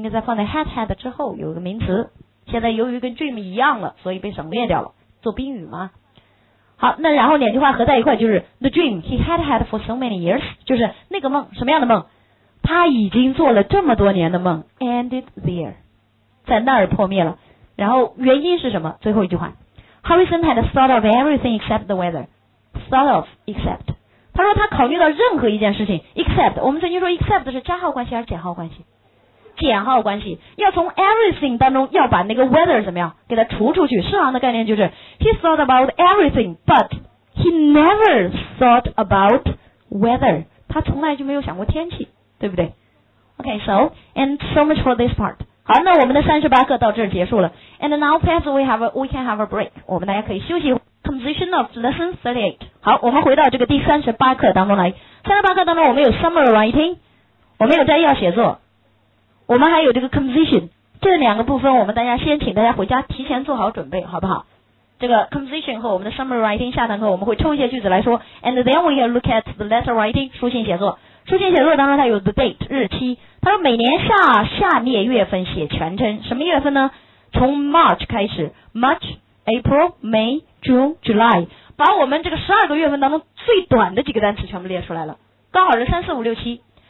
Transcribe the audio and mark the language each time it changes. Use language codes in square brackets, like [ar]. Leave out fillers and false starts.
[zh] 应该在放在 had 之后，有一个名词，现在由于跟 dream 一样了，所以被省略掉了，做宾语吗？好，那然后两句话合在一块就是 [en] the dream he had for so many years， [zh] 就是那个梦，什么样的梦？他已经做了这么多年的梦 ended there， 在那儿破灭了。然后原因是什么？最后一句话 [en] Harrison had thought of everything except the weather. Thought of, except. [zh] 他说他考虑到任何一件事情 except. 我们曾经说 except 是加号关系还是减号关系？减号关系。要从 everything 当中要把那个 weather 怎么样给它除出去。释行的概念就是 [en] He thought about everything, but he never thought about weather. [zh] 他从来就没有想过天气，对不对？ [en] Okay, so, and so much for this part. [zh] 好，那我们的38课到这儿结束了。 [en] And now perhaps we can have a break. [zh] 我们大家可以休息。 [en] Composition of lesson 38. [zh] 好，我们回到这个第38课当中来。38课当中我们有 summer writing, 我们有摘要写作，我们还有这个 composition， 这两个部分我们大家先请大家回家提前做好准备，好不好？这个 composition 和我们的 summary writing 下堂课我们会抽一些句子来说， [en] and then we can look at the letter writing， [zh] 书信写作。书信写作当中它有 the date 日期，它说每年下列月份写全称，什么月份呢？从 March 开始， March、 April、 May、 June、 July， 把我们这个12个月份当中最短的几个单词全部列出来了，刚好是3、4、5、6、7。